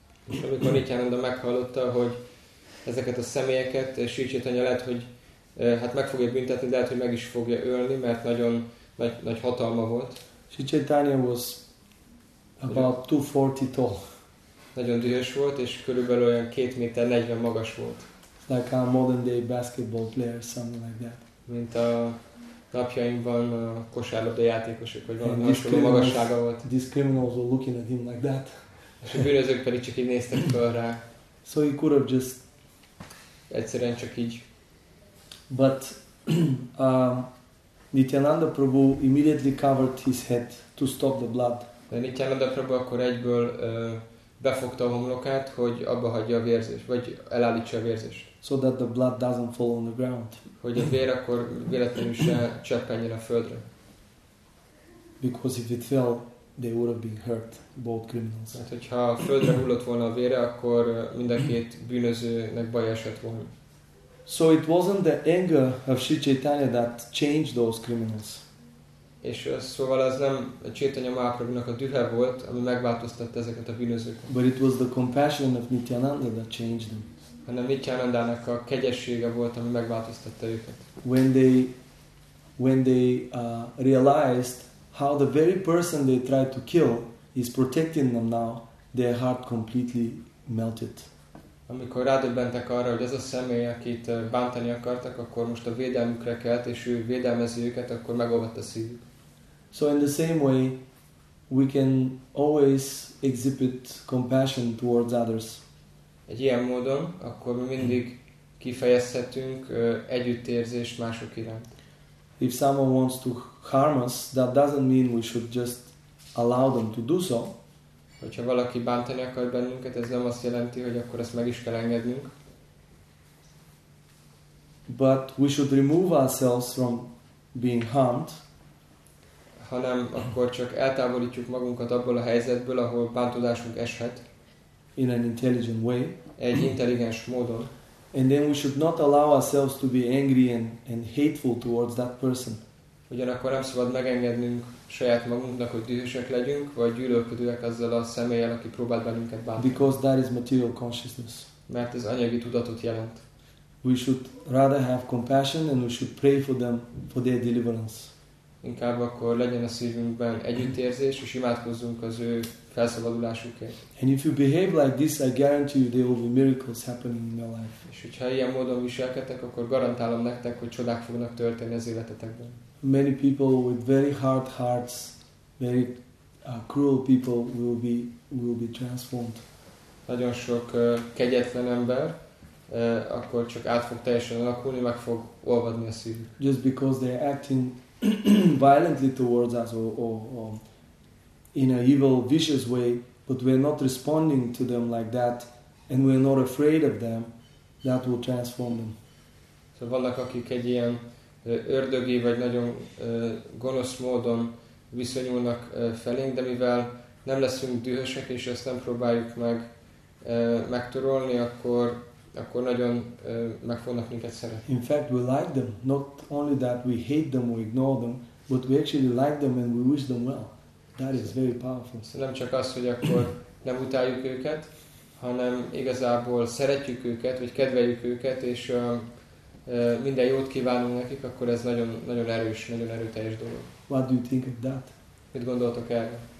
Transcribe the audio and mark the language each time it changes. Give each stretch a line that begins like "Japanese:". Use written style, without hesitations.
Hungarian: És amikor Nityananda meghallotta, hogy ezeket a személyeket, Sri Chaitanya lehet, hogy hát meg fogja büntetni, de lehet, hogy meg is fogja ölni, mert nagyon nagy, nagy hatalma volt.
English: Sri Chaitanya was about 240 tall.
Hungarian: Nagyon dühös volt, és körülbelül olyan 2.40 méter magas volt.
English: Like a modern day basketball player, something like that.
Hungarian: Mint a napjainkban a kosárlabda játékosok, vagy valami hasonló magassága volt.
English: These criminals were looking at him like that.
Hungarian: És a bűnözők pedig csak így néztek föl rá.
English: So he could have just...
Hungarian: Egyszerűen csak így.
English: But Nityananda Prabhu immediately covered his head to stop the blood.
Hungarian: De Nityananda Prabhu akkor egyből befogta a homlokát, hogy abba hagyja a vérzést, vagy elállítsa a vérzést.
English: So that the blood doesn't fall on the ground.
Hungarian: Hogy a vér akkor véletlenül se cseppenjen a földre.
English: Because if it fell, they would have been hurt, both criminals.
Hungarian: Hát, hogyha a földre hullott volna a vére, akkor mind a két bűnözőnek baj esett volna.
English: So it wasn't the anger of Sri Chaitanya that changed those criminals.
Hungarian: És szóval az nem a Chaitanya Mahaprabhunak a dühe volt, ami megváltoztatta ezeket a bűnözőket.
English: But it was the compassion of Nityananda that changed them.
Hungarian: Hanem Nityanandának a kegyessége volt, ami megváltoztatta őket.
English: When they realized how the very person they tried to kill is protecting them now, their heart completely melted.
Hungarian: Amikor rádöbbentek arra, hogy ez a személy, akit bántani akartak, akkor most a védelmükre kelt, és ő védelmezi őket, akkor megolvadt a szívük.
English: So in the same way, we can always exhibit compassion towards others.
Hungarian: Egy ilyen módon, akkor mi mindig kifejezhetünk együttérzést mások iránt.
English: If someone wants to harm us, that doesn't mean we should just allow them to do so.
Hungarian: Hogyha valaki bántani akar bennünket, ez nem azt jelenti, hogy akkor ezt meg is kell engednünk.
English: But we should remove ourselves from being harmed.
Hungarian: Hanem akkor csak eltávolítjuk magunkat abból a helyzetből, ahol bántódásunk eshet.
English: In an intelligent way.
Hungarian: Egy intelligens módon.
English: And then we should not allow ourselves to be angry and hateful towards that person.
Hungarian: Ugyanakkor nem szabad megengednünk saját magunknak, hogy dühösek legyünk, vagy gyűlölködőek azzal a személlyel, aki próbált bennünket bántani.
English: Because that is material consciousness.
Hungarian: Mert ez anyagi tudatot jelent.
English: We should rather have compassion and we should pray for them, for their deliverance.
Hungarian: Inkább akkor legyen a szívünkben együttérzés, és imádkozzunk az ő felszabadulásukért.
English: And if you behave like this, I guarantee you there will be miracles happening in your life.
Hungarian: És hogyha ilyen módon viselkedtek, akkor garantálom nektek, hogy csodák fognak történni az életetekben.
English: Many people with very hard hearts, very cruel people will be transformed.
Hungarian: Nagyon sok kegyetlen ember, akkor csak át fog teljesen alakulni, meg fog olvadni a szívük.
English: Just because they're acting violently towards us or in a evil, vicious way, but we're not responding to them like that, and we're not afraid of them, that will transform them.
Hungarian: So vannak, akik egy ilyen ördögi vagy nagyon gonosz módon viszonyulnak felénk, de mivel nem leszünk dühösek és ezt nem próbáljuk meg megtörölni, akkor nagyon meg fognak minket szeretni.
English: In fact, we like them. Not only that we hate them or ignore them, but we actually like them and we wish them well. That is very powerful.
Hungarian: Szóval nem csak az, hogy akkor nem utáljuk őket, hanem igazából szeretjük őket, vagy kedveljük őket, és minden jót kívánunk nekik, akkor ez nagyon, nagyon erős, nagyon erőteljes dolog.
English: What do you think of that?
Hungarian: Mit gondoltok erre?